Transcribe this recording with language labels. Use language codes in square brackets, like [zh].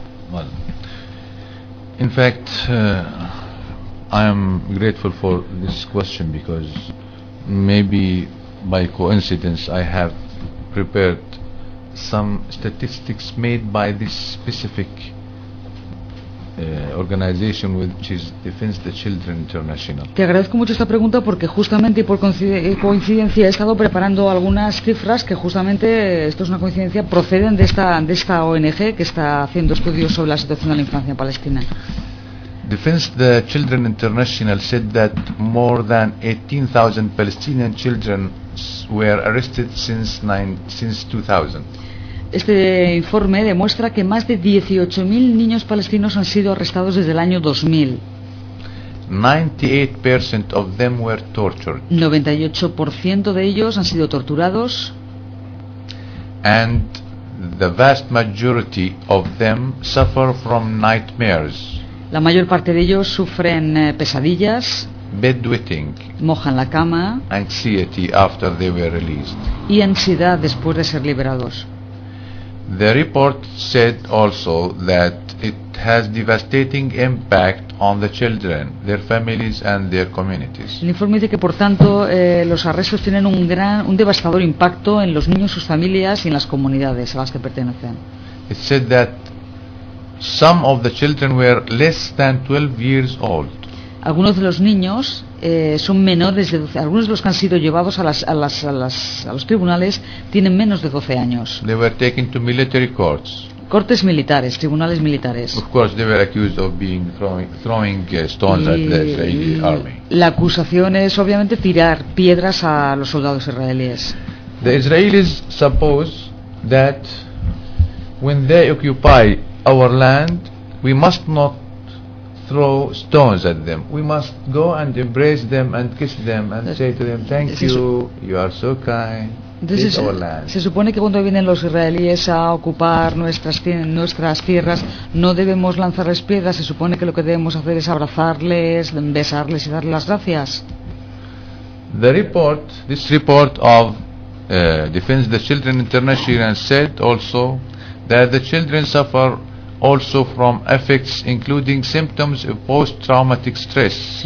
[en] Well, in fact, I am grateful for this question because maybe by coincidence I have prepared some statistics made by this specific organization, which is Defense the Children International. [es] Te agradezco mucho esta pregunta porque justamente y por coincidencia he estado preparando algunas cifras que justamente, esto es una coincidencia, proceden de esta ONG que está haciendo estudios sobre la situación de la infancia en Palestina. [en] Defense the Children International said that more than 18,000 Palestinian children were arrested since 2000. [es] Este informe demuestra que más de 18.000 niños palestinos han sido arrestados desde el año 2000. [en] 98% of them were tortured. [es] 98% de ellos han sido torturados. [en] And the vast majority of them suffer from nightmares. [es] La mayor parte de ellos sufren pesadillas. [en] Bedwetting. [es] Mojan la cama. [en] Anxiety after they were released. [es] Y ansiedad después de ser liberados. [en] The report said also that it has devastating impact on the children, their families and their communities. [es] El informe dice que por tanto los arrestos tienen un devastador impacto en los niños, sus familias y en las comunidades a las que pertenecen. [en] It said that some of the children were less than 12 years old. [es] Algunos de los niños son menores de 12, algunos de los que han sido llevados a los tribunales tienen menos de 12 años. [en] They were taken to military courts. [es] Cortes militares, tribunales militares. [en] Of course, they were accused of being throwing stones at the Israeli army. [es] La acusación es obviamente tirar piedras a los soldados israelíes. [en] The Israelis suppose that when they occupy our land, we must not throw stones at them. We must go and embrace them and kiss them and say to them, thank you, you are so kind. [es] Entonces, se supone que cuando vienen los israelíes a ocupar nuestras tierras, no debemos lanzarles piedras. Se supone que lo que debemos hacer es abrazarles, besarles y darles las gracias. [en] The report, this report of Defense the Children International said also that the children suffer also from effects including symptoms of post-traumatic stress.